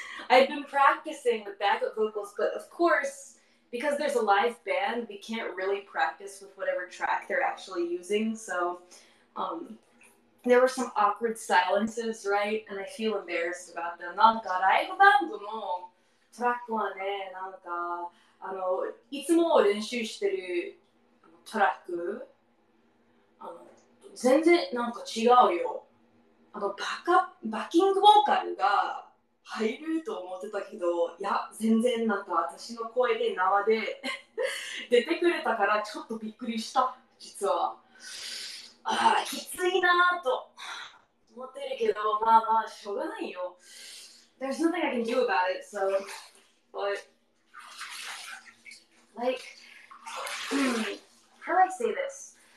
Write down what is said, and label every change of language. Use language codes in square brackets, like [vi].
[en] I've been practicing with backup vocals, but of course, because there's a live band, we can't really practice with whatever track they're actually using, so, there were some awkward silences, right? And I feel embarrassed about them. [ja] なんかライブバンドのトラックはね、なんかいつも練習してるトラック全然なんか違うよ。バッキングボーカルが入ると思ってたけど、いや全然なんか私の声で縄で出てくれたからちょっとびっくりした、実は。ああ、きついなぁと思ってるけど、まあまあ、しょうがないよ。 [en] There's nothing I can do about it, so... But... Like... How do I say this?